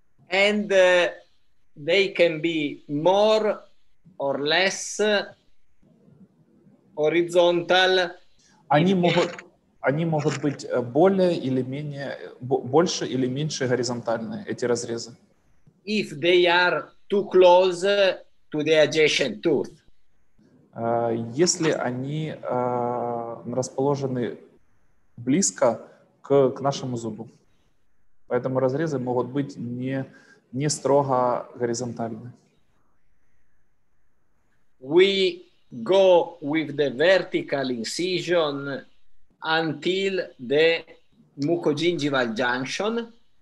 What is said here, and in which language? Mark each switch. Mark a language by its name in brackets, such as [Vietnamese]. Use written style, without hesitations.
[English] And they can be more or less horizontal. [Russian] Они могут быть более или менее, больше или меньше горизонтальные, эти разрезы. [English] If they are too close to the adjacent tooth. [Russian] Если они расположены близко к нашему зубу. Поэтому разрезы могут быть не строго горизонтальны. [English] We go with the vertical incision until the mucogingival junction.